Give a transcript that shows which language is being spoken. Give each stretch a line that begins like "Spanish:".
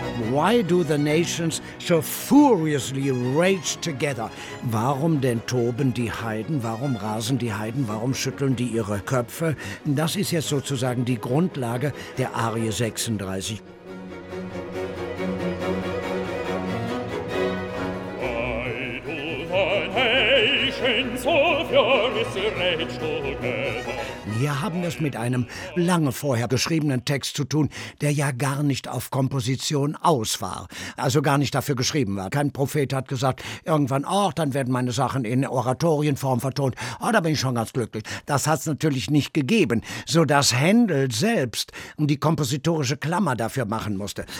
English: Why do the nations so furiously rage together?
German: Warum denn toben die Heiden? Warum rasen die Heiden? Warum schütteln die ihre Köpfe? Das ist jetzt sozusagen die Grundlage der Arie 36.
English: Why do the nations so furiously rage together?
German: Wir haben es mit einem lange vorher geschriebenen Text zu tun, der ja gar nicht auf Komposition aus war, also gar nicht dafür geschrieben war. Kein Prophet hat gesagt, irgendwann, ach, dann werden meine Sachen in Oratorienform vertont. Oh, da bin ich schon ganz glücklich. Das hat es natürlich nicht gegeben, sodass Händel selbst die kompositorische Klammer dafür machen musste.